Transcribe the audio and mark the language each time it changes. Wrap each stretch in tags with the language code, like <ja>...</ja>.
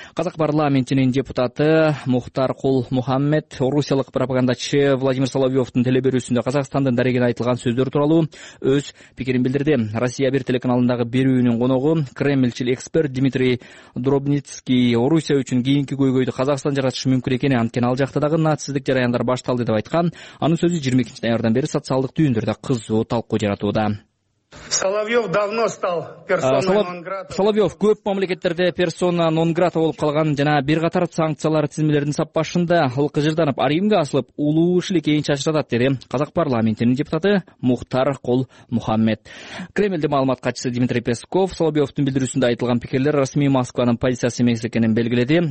<ky>Казак парламентинин депутаты Мухтар Кул Мухаммед орусиялык пропагандачы Владимир Соловьевдин телеберүүсүндө Казакстандын дарегине айтылган сөздөр тууралуу өз пикирин билдирди. Россия бир телеканалындагы берүүнүн коногу кремлчил эксперт Дмитрий Дробницкий Орусия үчүн кийинки көйгөйдү Казакстан жаратышы мүмкүн экени, анткени ал жакта дагы нацисттик жараяндар башталды деп айткан. Анын сөзү 22 ноябрдан бери социалдык түйүндөрдө кызуу талкуу жаратууда.</ky> <ru>Соловьев давно стал персона нон грата.</ru> <ky>Соловьев көп мамлекеттерде персона нон грата болуп калган жана бир катар санкциялар тизмелеринин сап башында ал кыжырданып аримге асылып улуу ишлик кийин чачыратат, деди казак парламентинин депутаты Мухтар Кол Мухаммед. Кремлдин маалымат катчысы Дмитрий Песков Соловьевдин билдирүүсүндө айтылган пикирлер расмий Москванын позициясы эмес экенин белгиледи.</ky>